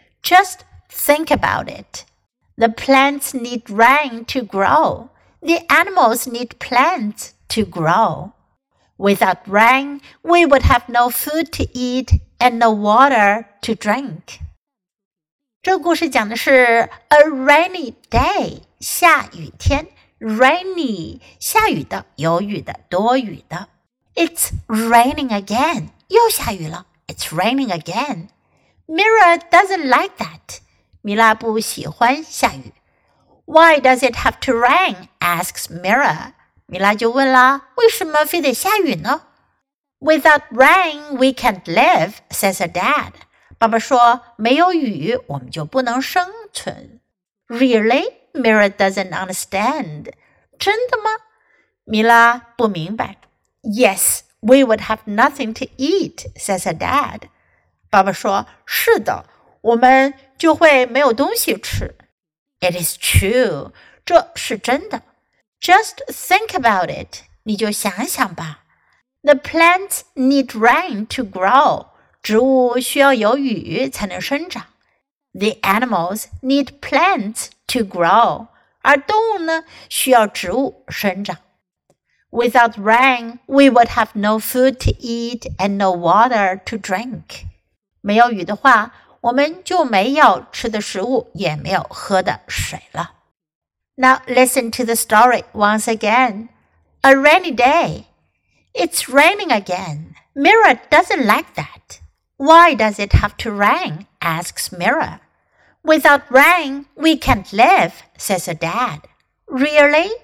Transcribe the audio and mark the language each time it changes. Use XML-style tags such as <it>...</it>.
<en>Just think about it. The plants need rain to grow. The animals need plants to grow. Without rain, we would have no food to eat and no water to drink.</en> <zh>这故事讲的是</zh> <en>a rainy day,</en> <zh>下雨天 rainy, 下雨的有雨的多雨的</zh> <en>It's raining again,</en> <zh>又下雨了</zh> <en>It's raining again. Mira doesn't like that.</en> <zh>米拉不喜欢下雨。</zh> <en>Why does it have to rain? Asks Mira.</en> <zh>米拉就问了，为什么非得下雨呢？</zh> <en>Without rain, we can't live, says her dad.</en> <zh>爸爸说，没有雨，我们就不能生存。</zh> <en>Really? Mira doesn't understand.</en> <zh>真的吗？米拉不明白。</zh> <en>Yes, we would have nothing to eat, says her dad.</en> <zh>爸爸说，是的，我们就会没有东西吃。</zh> <en>It is true,</en> <zh>这是真的。</zh> <en>Just think about it,</en> <zh>你就想想吧。</zh> <en>The plants need rain to grow,</en> <zh>植物需要有雨才能生长。</zh> <en>The animals need plants to grow,</en> <zh>而动物呢，需要植物生长。</zh> <en>Without rain, we would have no food to eat and no water to drink.</en> <zh>没有雨的话，我们就没有吃的食物，也没有喝的水了。</zh> <en>Now listen to the story once again. A rainy day. It's raining again. Mira doesn't like that. Why does it have to rain? Asks Mira. Without rain, we can't live, says her dad. Really?</en>